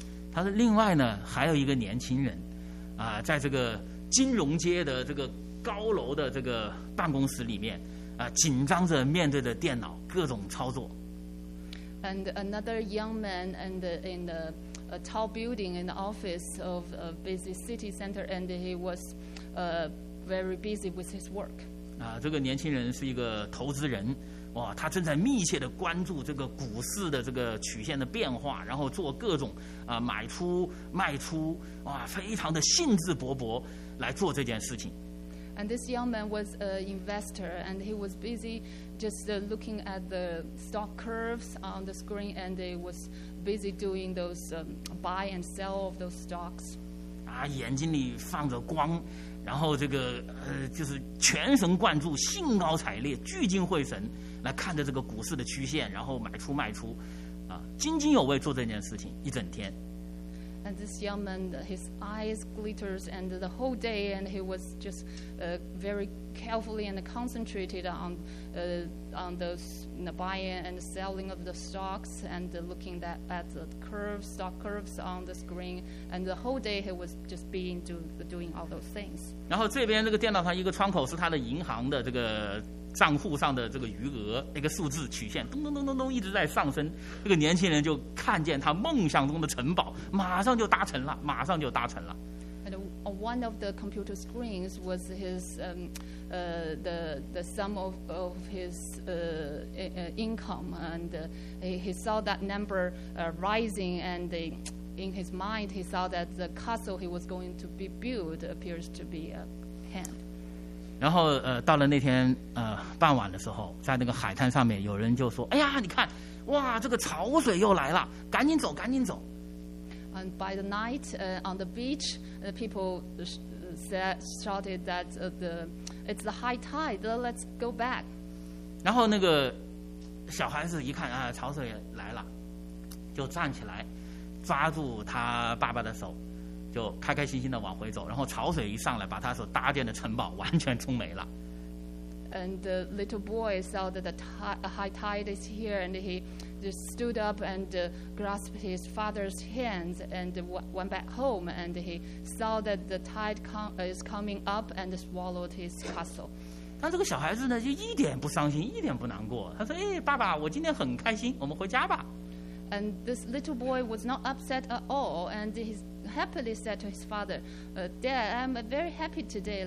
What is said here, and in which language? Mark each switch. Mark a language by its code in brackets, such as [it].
[zh] 他说另外呢，还有一个年轻人，在这个金融街的这个高楼的这个办公室里面。紧张着面对着电脑各种操作。 [en] And another young man and in the a tall building in the office of a busy city center, and he was very busy with his work. [zh] 这个年轻人是一个投资人，哇，他正在密切的关注这个股市的这个曲线的变化，然后做各种买出卖出，哇，非常的兴致勃勃来做这件事情。 [en] And this young man was an investor, and he was busy just looking at the stock curves on the screen, and he was busy doing those buy and sell of those stocks. [zh] 眼睛里放着光，然后这个就是全神贯注、兴高采烈、聚精会神来看着这个股市的曲线，然后买出卖出，津津有味做这件事情一整天。 [en] And this young man, his eyes glitters, and the whole day, and he was just very carefully and concentrated on those buying and selling of the stocks, and looking at the curves, stock curves on the screen, and the whole day he was just being doing all those things. [zh] 然后这边这个电脑上一个窗口是他的银行的这个账户上的这个余额，那个数字曲线咚咚咚咚咚一直在上升。这个年轻人就看见他梦想中的城堡，马上就搭成了，马上就搭成了。 [en] And one of the computer screens was his the sum of his income, and he saw that number rising, and in his mind he saw that the castle he was going to be built appears to be at hand. [zh] 然后到了那天傍晚的时候，在那个海滩上面，有人就说：“哎呀，你看，哇，这个潮水又来了，赶紧走，赶紧走。” [en] And by the night, on the beach, people shouted that it's the high tide, let's go back. [zh] 然后那个小孩子一看啊，潮水来了，就站起来，抓住他爸爸的手。就开开心心的往回走，然后潮水一上来，把他所搭建的城堡完全冲没了。 [en] And the little boy saw that the high tide is here, and he just stood up and grasped his father's hands and went back home. And he saw that the tide is coming up and swallowed his castle. [zh] 但这个小孩子呢，就一点不伤心，一点不难过。他说：“哎，爸爸，我今天很开心，我们回家吧。” [en] And this little boy was not upset at all, and he happily said to his father, "Dad, I'm very happy today.